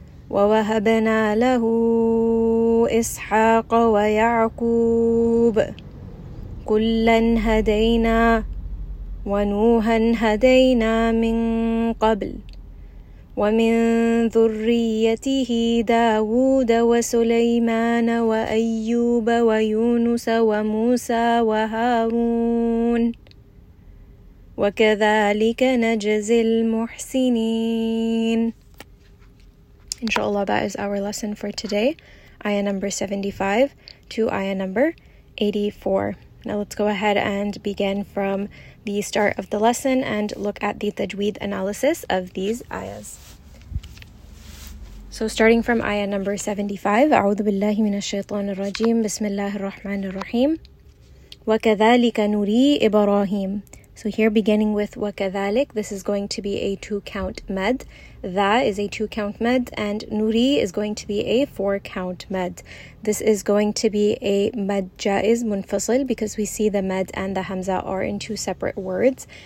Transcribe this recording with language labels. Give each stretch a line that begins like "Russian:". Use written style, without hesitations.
Arabic: ووهبنا له إسحاق ويعقوب كلا هدينا ونوحا هدينا من قبل ومن ذريته داود وسليمان وأيوب ويونس وموسى وهارون وكذلك نجزي المحسنين.
English: Inshallah, that is our lesson for today. Ayah number 75 to ayah number 84. Now let's go ahead and begin from the start of the lesson and look at the tajweed analysis of these ayahs. So starting from ayah number 75,
Arabic: أعوذ بالله من الشيطان الرجيم بسم الله الرحمن الرحيم وكذلك نري إبراهيم.
English: So here beginning with وكذلك, this is going to be a two-count med. Tha is a two-count med and nuri is going to be a four-count med. This is going to be a med jaiz munfasil because we see the med and the hamza are in two separate words.